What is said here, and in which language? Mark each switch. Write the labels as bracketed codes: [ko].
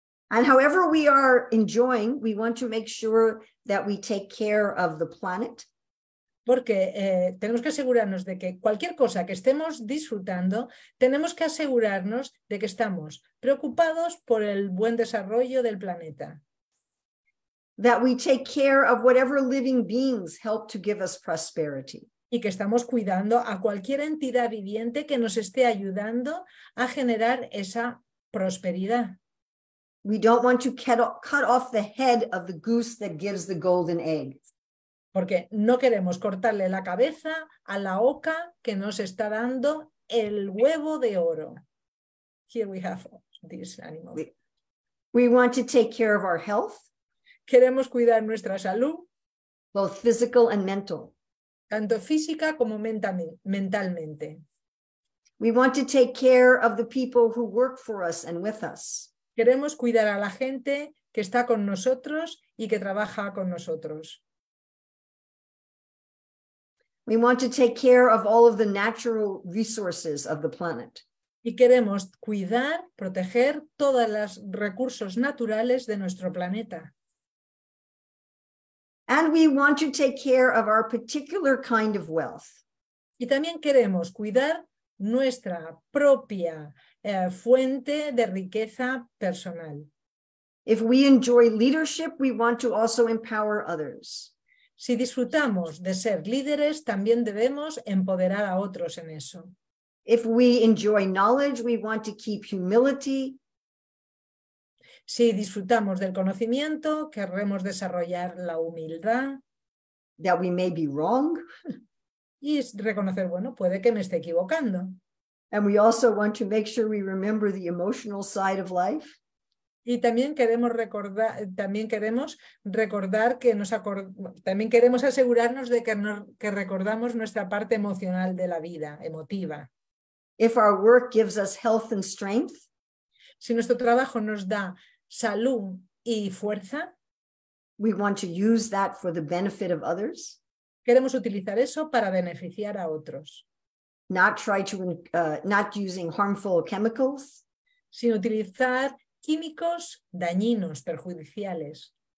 [en] And however we are enjoying, we want to make sure that we take care of the planet. [es] Porque tenemos que asegurarnos de que cualquier cosa que estemos disfrutando, tenemos que asegurarnos de que estamos preocupados por el buen desarrollo del planeta. [en] That we take care of whatever living beings help to give us prosperity. [es] Y que estamos cuidando a cualquier entidad viviente que nos esté ayudando a generar esa prosperidad. [en] We don't want to cut off the head of the goose that gives the golden egg. [es] Porque no queremos cortarle la cabeza a la oca que nos está dando el huevo de oro. [en] Here we have this animal. We want to take care of our health. [es] Queremos cuidar nuestra salud. [en] Both physical and mental. [es] Tanto física como mentalmente. [en] We want to take care of the people who work for us and with us. [es] Queremos cuidar a la gente que está con nosotros y que trabaja con nosotros. [en] We want to take care of all of the natural resources of the planet. [es] Y queremos cuidar, proteger todos los recursos naturales de nuestro planeta. [en] And we want to take care of our particular kind of wealth. [es] Y también queremos cuidar nuestra propia fuente de riqueza personal. [en] If we enjoy leadership, we want to also empower others. [es] Si disfrutamos de ser líderes, también debemos empoderar a otros en eso. [en] If we enjoy knowledge, we want to keep humility. [es] Si disfrutamos del conocimiento, querremos desarrollar la humildad. [en] That we may be wrong. [es] Y reconocer, bueno, puede que me esté equivocando. [en] And we also want to make sure we remember the emotional side of life. [es] Y también queremos asegurarnos de que recordamos nuestra parte emocional de la vida, emotiva. [en] If our work gives us health and strength, [es] si nuestro trabajo nos da salud y fuerza, [en] we want to use that for the benefit of others. [es] Queremos utilizar eso para beneficiar a otros. [en] Not using harmful chemicals, [es] sin utilizar químicos dañinos, perjudiciales.